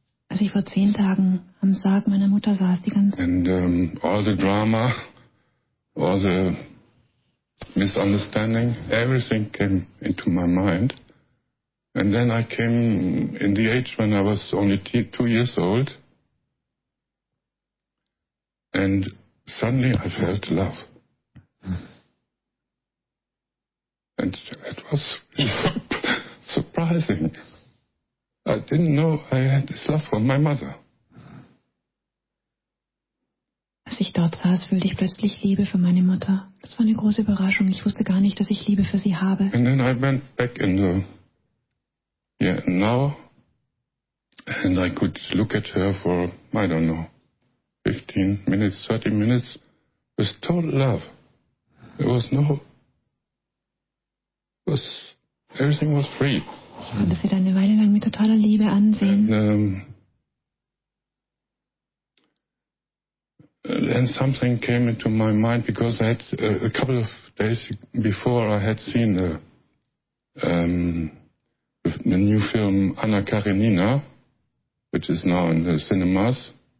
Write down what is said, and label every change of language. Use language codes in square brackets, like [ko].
[de] Als ich vor 10 Tagen am Sarg meiner Mutter saß, die ganze. [en] And all the drama, all the misunderstanding, everything came into my mind. And then I came in the age when I was only 2 years old, and suddenly I felt love. And it was surprising. I didn't know I had this love for my mother. [de] Als ich dort saß, fühlte ich plötzlich Liebe für meine Mutter. Das war eine große Überraschung. Ich wusste gar nicht, dass ich Liebe für sie habe. [en] And then I went back in the now, and I could look at her for, I don't know, 15 minutes, 30 minutes, with total love. There was no, was, everything was free. [de] Ich konnte sie dann eine Weile lang mit totaler Liebe ansehen. [en] And then something came into my mind, because I had, a couple of days before, I had seen the, the new film Anna Karenina, which is now in the cinemas.